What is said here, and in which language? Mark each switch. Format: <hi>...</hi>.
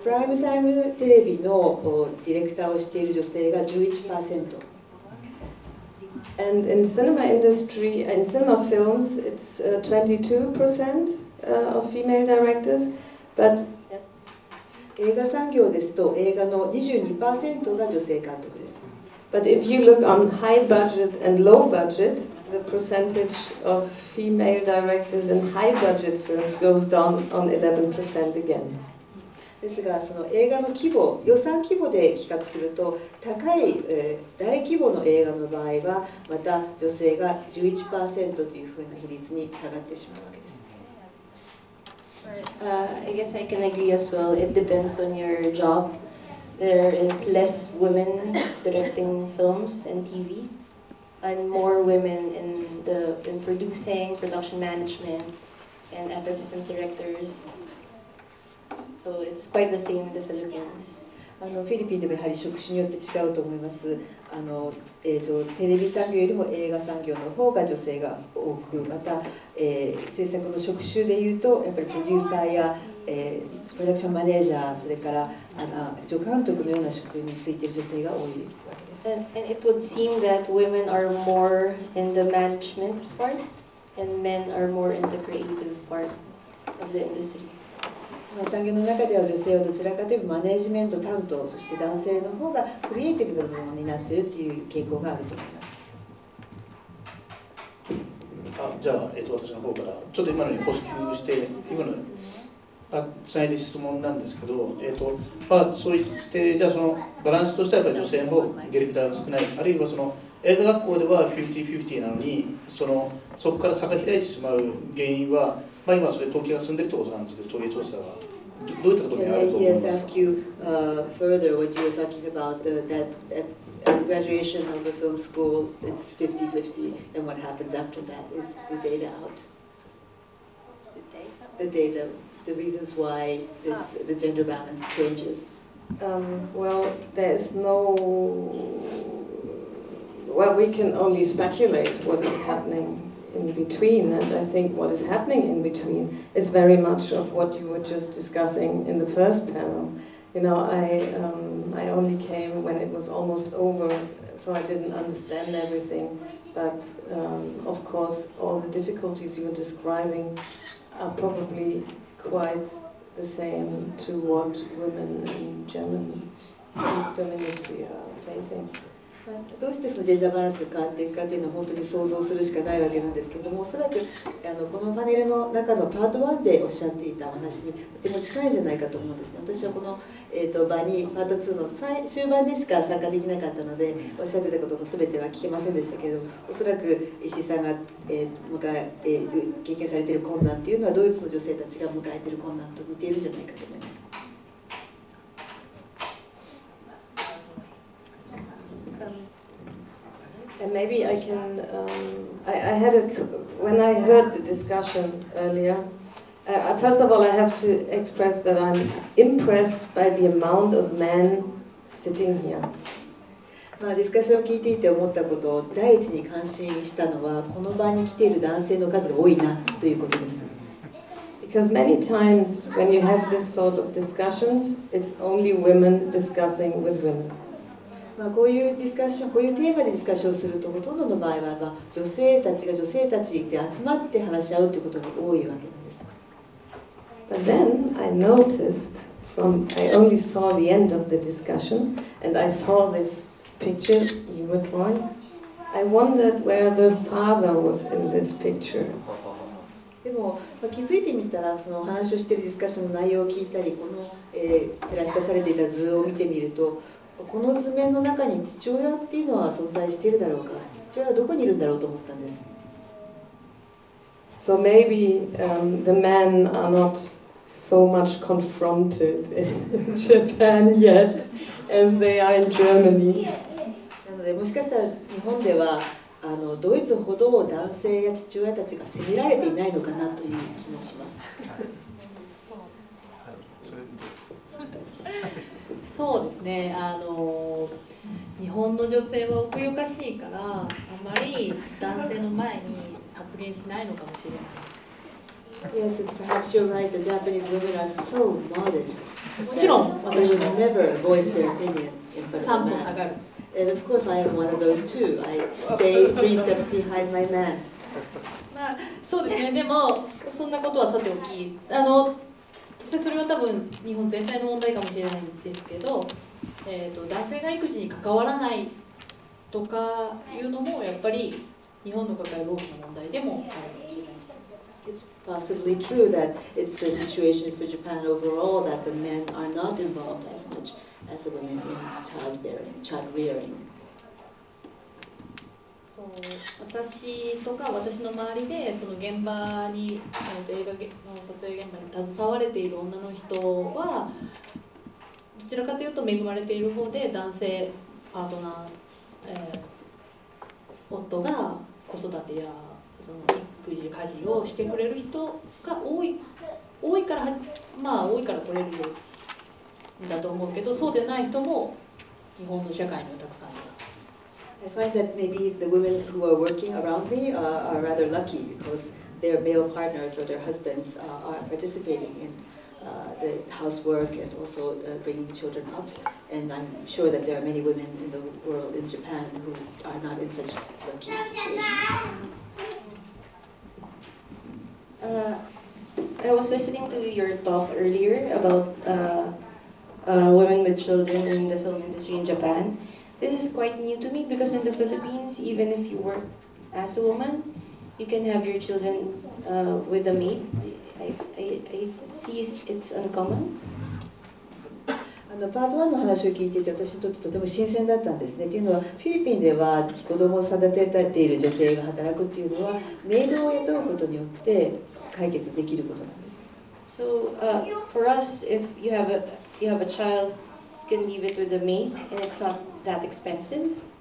<ja>プライムタイムテレビのディレクターをしている女性が 11%。</ja> <en>And in cinema industry, in cinema films, it's 22% of female directors. But</en> <ja>映画産業ですと映画の 22% が女性監督です。</ja> <en>But if you look on high budget and low budgetThe percentage of female directors in high budget films goes down on 11% again.</en> <ja>ですが、その映画の規模、予算規模で比較すると、高い、大規模の映画の場合は、また女性が 11% というふうな比率に下がってしまうわけです。</ja> <en>I guess I can agree as well. It depends on your job. There is less women directing films and TV. And more women in producing, production management, and as assistant directors. So it's quite the same in the Philippines.</en> <ja>フィリピンでもやはり職種によって違うと思います。テレビ産業よりも映画産業の方が女性が多く、また、制作の職種でいうと、やっぱりプロデューサーや、プロダクションマネージャー、それから助監督のような職についている女性が多いわけです。</ja> <en>And it would seem that women are more in the management part and men are more in the creative part of the industry.</en> <ja>産業の中では女性はどちらかというとマネジメント担当、そして男性の方がクリエイティブなものになっているという傾向があると思います。じゃあ、私の方からちょっと今のに補足して、今のつないで質問なんですけど、そういって、じゃあそのバランスとしてはやっぱ女性の方ディレクターが少ない、あるいはその映画学校では 50-50 なのに、そのそこから差が開いてしまう原因は、まあ、今それ統計が進んでいるということなんですけど、統計調査は。どういったことにあると思いますか。</ja> <en>Yes, ask you further what you were talking about, that at graduation of the film school, it's 50-50, and what happens after that is the data out. The data. The reasons why this, the gender balance changes. Well, there's no. Well, we can only speculate what is happening in between, and I think what is happening in between is very much of what you were just discussing in the first panel. You know, I only came when it was almost over, so I didn't understand everything. But of course, all the difficulties you're describing are probably. Quite the same to what women in German film industry are facing.</en> <ja>どうしてそのジェンダーバランスが変わっていくかというのは本当に想像するしかないわけなんですけれども、おそらくこのパネルの中のパート1でおっしゃっていた話にとても近いじゃないかと思うんですね。私はこの、場にパート2の終盤でしか参加できなかったので、おっしゃってたことの全ては聞けませんでしたけど、おそらく石井さんが、経験されている困難というのはドイツの女性たちが迎えている困難と似ているんじゃないかと思います。</ja> <en>And maybe I can, I had a, when I heard the discussion earlier, first of all, I have to express that I'm impressed by the amount of men sitting here.</en> <ja>まあ、ディスカッションを聞いていて思ったことを第一に感心したのは、この場に来ている男性の数が多いなということです。</ja> <en>Because many times when you have this sort of discussions, it's only women discussing with women.</en> <ja>まあ、こういうディスカッション、こういうテーマでディスカッションすると、ほとんどの場合は、まあ、女性たちが女性たちで集まって話し合うということが多いわけなんです。</ja> <en>But then I noticed from, I only saw the end of the discussion, and I saw this picture you were drawing. I wondered where the father was in this picture.</en> <ja>でも、まあ、気づいてみたら、そのお話をしているディスカッションの内容を聞いたり、この、照らし出されていた図を見てみると、この図面の中に父親っていうのは存在しているだろうか、父親はどこにいるんだろうと思ったんです。</ja> <en>So maybe, the men are not so much confronted in Japan yet as they are in Germany.</en> <ja>なので、もしかしたら日本ではドイツほど男性や父親たちが責められていないのかなという気もします。そうですね、日本の女性は奥ゆかしいからあまり男性の前に発言しないのかもしれない。</ja> <en>Yes, perhaps you're right, the Japanese women are so modest.</en> <ja>もちろん私も</ja> <en>They will never voice their opinion in front of men.</en> <ja>3歩下がる。</ja> <en>And of course I am one of those too. I stay three steps behind my man.</en> <ja>まあそうですね、でもそんなことはさておき、それは多分日本全体の問題かもしれないんですけど、男性が育児に関わらないとかいうのもやっぱり日本の抱える大きな問題でもあるかもしれない。</ja> <en>It's possibly true that it's a situation for Japan overall that the men are not involved as much as the women in childbearing, child rearing.</en> <ja>そう、私とか私の周りでその現場に映画の撮影現場に携われている女の人はどちらかというと恵まれている方で、男性パートナー、夫が子育てやその育児家事をしてくれる人が多いから、まあ多いから取れるんだと思うけど、そうでない人も日本の社会にはたくさんいます。</ja> <en>I find that maybe the women who are working around me are rather lucky because their male partners or their husbands are participating in the housework and also bringing children up. And I'm sure that there are many women in the world in Japan who are not in such lucky situations. I was listening to your talk earlier about women with children in the film industry in Japan. This is quite new to me because in the Philippines, even if you work as a woman, you can have your children with a maid. I see it's uncommon.</en> <ja>パート1の話を聞いていて、私にとってとても新鮮だったんですね。というのは、フィリピンでは子供を育てたっている女性が働くっていうのは、メイドを雇うことによって解決できることなんです。</ja> <en>So, for us, if you have a child, you can leave it with a maid, and it's notThat expensive.</en>